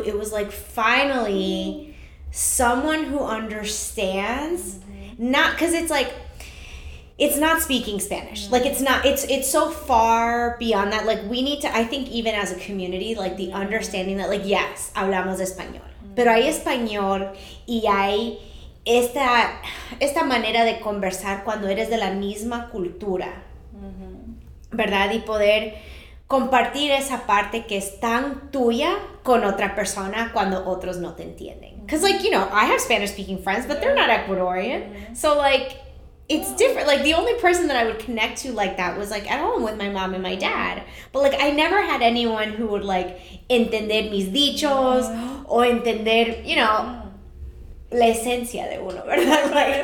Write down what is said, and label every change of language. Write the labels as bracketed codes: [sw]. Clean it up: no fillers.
[en] It was like finally someone who understands, not because it's like, it's not speaking Spanish. Like, it's not, it's so far beyond that. Like, we need to, I think even as a community, like, the understanding that, like, yes, [es] hablamos español. Pero hay español y hay esta manera de conversar cuando eres de la misma cultura. ¿Verdad? Y poder compartir esa parte que es tan tuya con otra persona cuando otros no te entienden. [en] Because, like, you know, I have Spanish-speaking friends, but they're not Ecuadorian. So, like, it's different. Like, the only person that I would connect to like that was, like, at home with my mom and my dad. But, like, I never had anyone who would, like, [es] entender mis dichos o entender, [en] you know, [es] la esencia de uno, ¿verdad? [en] Like,